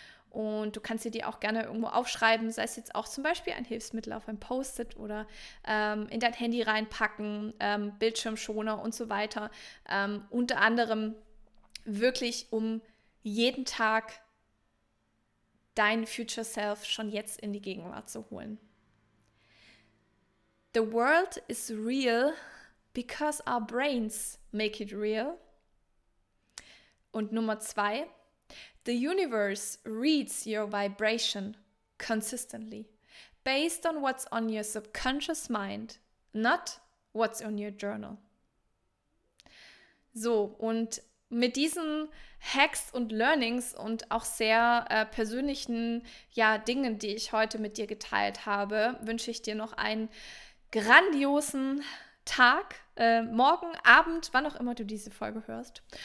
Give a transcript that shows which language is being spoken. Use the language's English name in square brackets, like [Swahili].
[German] Und du kannst dir die auch gerne irgendwo aufschreiben, sei es jetzt auch zum Beispiel ein Hilfsmittel auf ein Post-it oder in dein Handy reinpacken, Bildschirmschoner und so weiter. Unter anderem wirklich, um jeden Tag dein Future Self schon jetzt in die Gegenwart zu holen. [English] The world is real because our brains make it real. [German] Und Nummer 2. [English] The universe reads your vibration consistently, based on what's on your subconscious mind, not what's on your journal. [German] So, und mit diesen Hacks und Learnings und auch sehr persönlichen Dingen, die ich heute mit dir geteilt habe, wünsche ich dir noch einen grandiosen Tag, morgen, Abend, wann auch immer du diese Folge hörst.